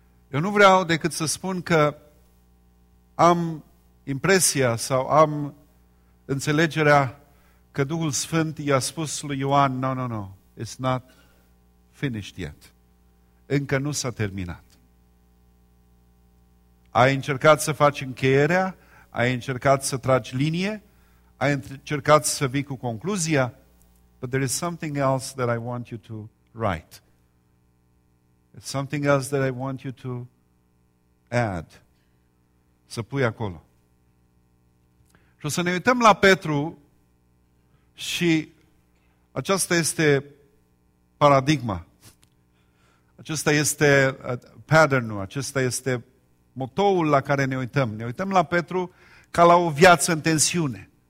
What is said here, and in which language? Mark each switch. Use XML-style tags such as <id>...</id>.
<ro>Eu nu vreau decât să spun că am impresia sau am înțelegerea că Duhul Sfânt i-a spus lui Ioan:</ro> <en>no, no, no, it's not finished yet.</en> <ro>Încă nu s-a terminat. Ai încercat să faci încheierea, ai încercat să tragi linie, ai încercat să vii cu concluzia,</ro> <en>but there is something else that I want you to write. It's something else that I want you to add.</en> <ro>Să pui acolo. Și o să ne uităm la Petru și aceasta este paradigma. Acesta este pattern-ul, acesta este motoul la care ne uităm. Ne uităm la Petru ca la o viață în tensiune.</ro>